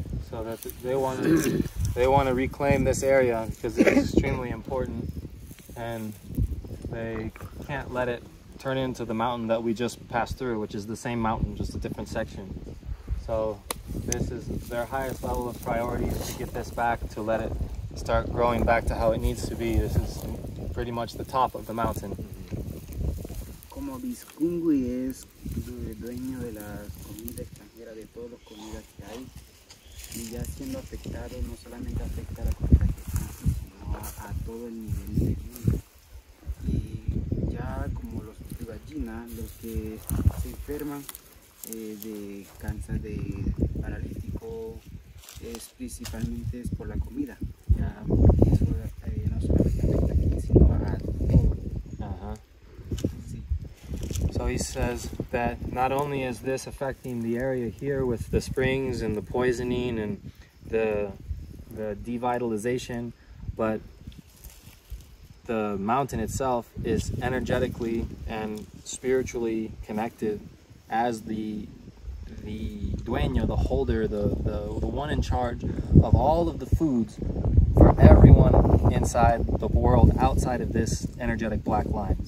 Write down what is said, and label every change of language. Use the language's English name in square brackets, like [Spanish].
[English] So that they want to reclaim this area because it's extremely important, and they can't let it turn into the mountain that we just passed through, which is the same mountain, just a different section. So this is their highest level of priority, to get this back, to let it start growing back to how it needs to be. This is pretty much the top of the mountain. [Spanish] Como Biscungui es dueño de la comida extranjera, de todos los comidas que hay. Y ya siendo afectado, no solamente afecta a la comida que existe, sino a todo el nivel de vida. Y ya como los tribagines, los que se enferman de cáncer, de paralítico, es principalmente es por la comida. Ya eso no solamente afecta aquí, sino a todo. Uh-huh. Sí. [English] So he says that not only is this affecting the area here with the springs and the poisoning and the devitalization, but the mountain itself is energetically and spiritually connected as the dueño, the holder, the one in charge of all of the foods for everyone inside the world outside of this energetic black line.